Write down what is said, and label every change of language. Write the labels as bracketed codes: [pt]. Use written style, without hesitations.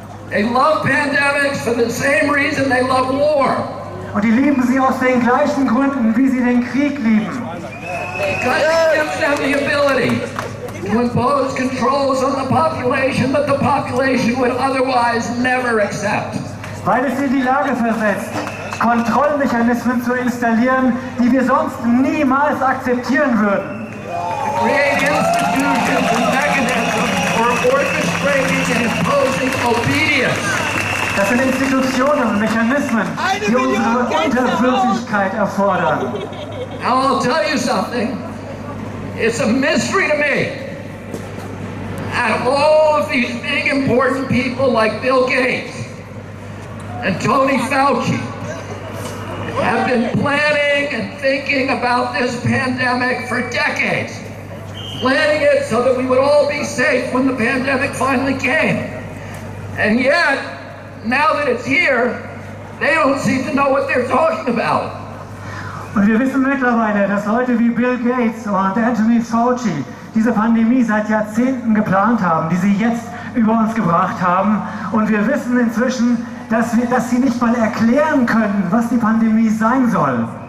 [en] They love pandemics for the same reason they love war. [de] Und die lieben sie aus den gleichen Gründen, wie sie den Krieg lieben. [en] Because it gives them the ability to impose controls on the population that the population would otherwise never accept. [de] Weil es sie in die Lage versetzt, Kontrollmechanismen zu installieren, die wir sonst niemals akzeptieren würden. [en] To create institutions and mechanisms for orchestrating and imposing obedience. [de] Das sind Institutionen und Mechanismen, die unsere Unterwürfigkeit erfordern. [en] Now I'll tell you something. It's a mystery to me. And all of these big important people like Bill Gates and Tony Fauci have been planning and thinking about this pandemic for decades. Planning it so that we would all be safe when the pandemic finally came. And yet, now that it's here, they don't seem to know what they're talking about. [de] Und wir wissen mittlerweile, dass Leute wie Bill Gates und Anthony Fauci diese Pandemie seit Jahrzehnten geplant haben, die sie jetzt über uns gebracht haben. Und wir wissen inzwischen, dass sie nicht mal erklären können, was die Pandemie sein soll.